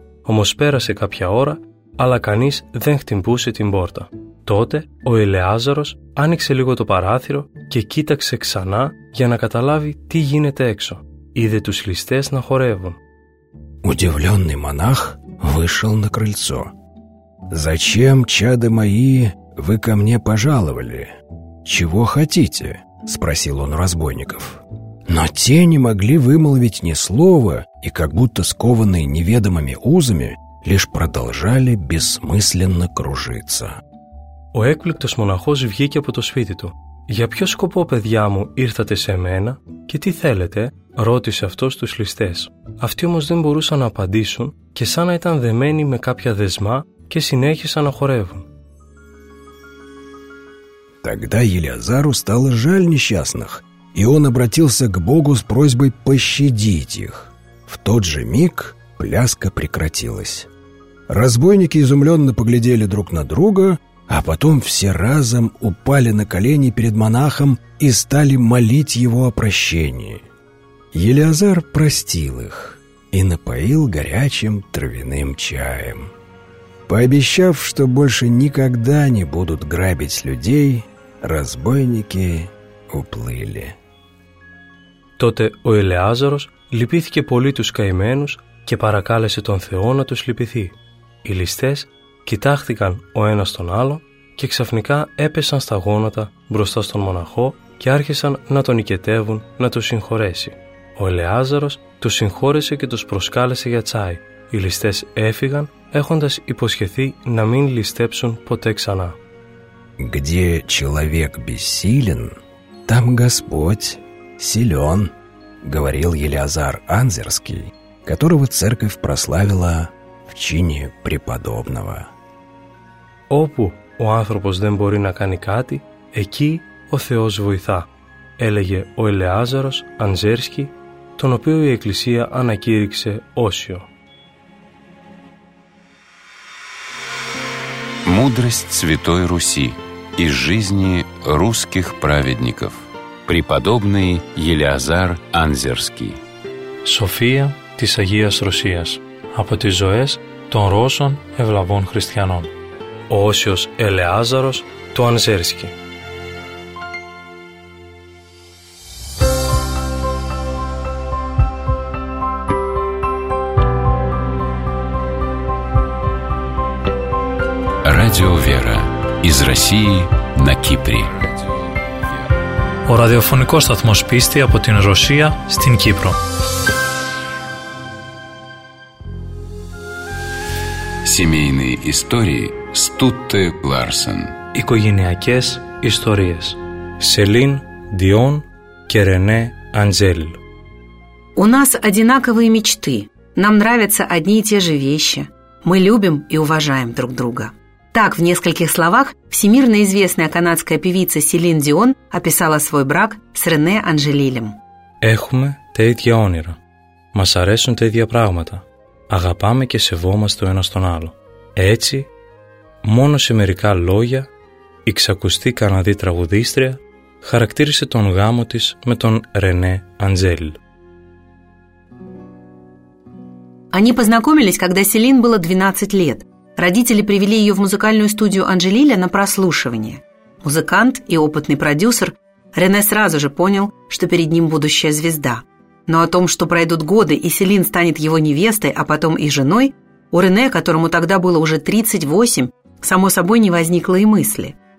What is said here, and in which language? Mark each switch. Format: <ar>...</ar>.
<el>Όμως πέρασε κάποια ώρα, αλλά κανείς δεν χτυπούσε την πόρτα. Τότε ο Ελεάζαρος άνοιξε λίγο το παράθυρο και κοίταξε ξανά για να καταλάβει τι γίνεται έξω. Είδε τους ληστές να χορεύουν.</el> <ru>Удивленный монах вышел на крыльцо. «Зачем, чады мои, вы ко мне пожаловали? Чего хотите?» — спросил он разбойников. Но те не могли вымолвить ни слова и, как будто скованные неведомыми узами, лишь продолжали бессмысленно кружиться.</ru> <el>Ο έκπληκτος μοναχός βγήκε από το σπίτι του. «Για ποιο σκοπό, παιδιά μου, ήρθατε σε μένα και τι θέλετε?» ρώτησε αυτός τους ληστές. Αυτοί όμως δεν μπορούσαν να απαντήσουν και σαν να ήταν δεμένοι με κάποια δεσμά και συνέχισαν να χορεύουν.</el> <ru>Тогда Елиазару стало жаль несчастных, и он обратился к Богу с просьбой пощадить их. В тот же миг пляска прекратилась. Разбойники изумленно поглядели друг на друга, а потом все разом упали на колени перед монахом и стали молить его о прощении. Елиазар простил их и напоил горячим травяным чаем. Пообещав, что больше никогда не будут грабить людей, разбойники уплыли.</ru> <el>Τότε ο Ελεάζαρος λυπήθηκε πολύ τους καημένους και παρακάλεσε τον Θεό να τους λυπηθεί. Οι ληστές κοιτάχτηκαν ο ένας τον άλλο και ξαφνικά έπεσαν στα γόνατα μπροστά στον μοναχό και άρχισαν να τον οικετεύουν να τους συγχωρέσει. Ο Ελεάζαρος τους συγχώρεσε και τους προσκάλεσε για τσάι. Οι ληστές έφυγαν έχοντας υποσχεθεί να μην ληστέψουν ποτέ ξανά.</el> <ru>«Где человек бессилен, там Господь силен», — говорил Елиазар Анзерский, которого церковь прославила в чине преподобного.</ru> <el>«Опу у анθρωπος δεν μπορεί να κάνει κάτι, εκεί ο Θεός βοηθά», — έλεγε ο Ελεάζαρος Ανζέρσκι, τον οποίο η Εκκλησία ανακήρυξε όσιο.</el> <ru>Мудрость Святой Руси из жизни русских праведников. Преподобный Елиазар Анзерский.</ru> <el>София της Αγίας Ρωσίας. Από τις ζωές των Ρώσων ευλαβών χριστιανών. Ο Όσιος Ελεάζαρος του Ανζέρσκι.</el> <ru>Радио Вера. Из России на Кипре.</ru> <el>Ο ραδιοφωνικός σταθμός πίστη από την Ρωσία στην Κύπρο.</el> <ru>Семейные истории Стутте Ларсен.</ru> <el>Οικογενειακές ιστορίες. Σελίν Διόν και Ρενέ Αντζέλ.</el> <ru>У нас одинаковые мечты. Нам нравятся одни и те же вещи. Мы любим и уважаем друг друга. Так, в нескольких словах, всемирно известная канадская певица Селин Дион описала свой брак с Рене Анжелилем.</ru> <el>Έχουμε τα ίδια όνειρα. Μας αρέσουν τα ίδια πράγματα. Αγαπάμε και σεβόμαστε ο ένας τον άλλο. Έτσι, μόνο σε μερικά λόγια, η ξακουστή Καναδή τραγουδίστρια χαρακτήρισε τον γάμο της με τον Ρενέ Αντζέλ.</el> <ru>Они познакомились, когда Селин было 12 лет. Родители привели ее в музыкальную студию Анжелиля на прослушивание. Музыкант и опытный продюсер Рене сразу же понял, что перед ним будущая звезда. Но о том, что пройдут годы, и Селин станет его невестой, а потом и женой, у Рене, которому тогда было уже 38, само собой не возникло и мысли.</ru>